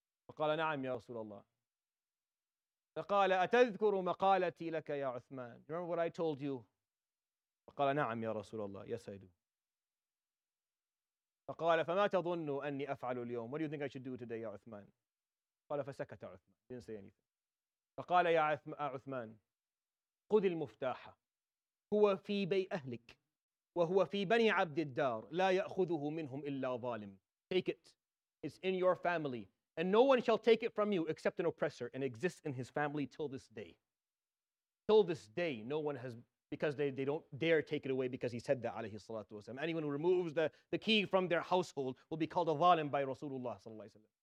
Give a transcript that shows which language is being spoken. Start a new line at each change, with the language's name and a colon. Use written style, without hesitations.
Arabic: فَقَالَ نَعَمْ يَا رَسُولَ اللَّهِ. فَقَالَ أَتَذْكُرُ مَقَالَتِي لَكَ يَا عُثْمَانَ.
English: You remember what I told you?
Arabic: فَقَالَ نَعَمْ يَا رَسُولَ اللَّهِ.
English: Yes, I do.
Arabic: فَقَالَ فَمَا تَظُنُّ أَنِّي أَفْعَلُ الْيَوْمَ.
English: What do you think I should do today,
Arabic: يا عثمان؟ قَالَ فَسَكَتَ عُثْمَانَ.
English: Didn't say anything.
Arabic: فقال يا عثمان خذ المفتاح هو في بي أهلك وهو في بني عبد الدار لا يأخذه منهم إلا ظالم.
English: Take it. It's in your family. And no one shall take it from you except an oppressor, and exists in his family till this day. Till this day, no one has, because they don't dare take it away because he said that, عليه الصلاة والسلام. Anyone who removes the key from their household will be called a ظالم by Rasulullah صلى الله عليه وسلم.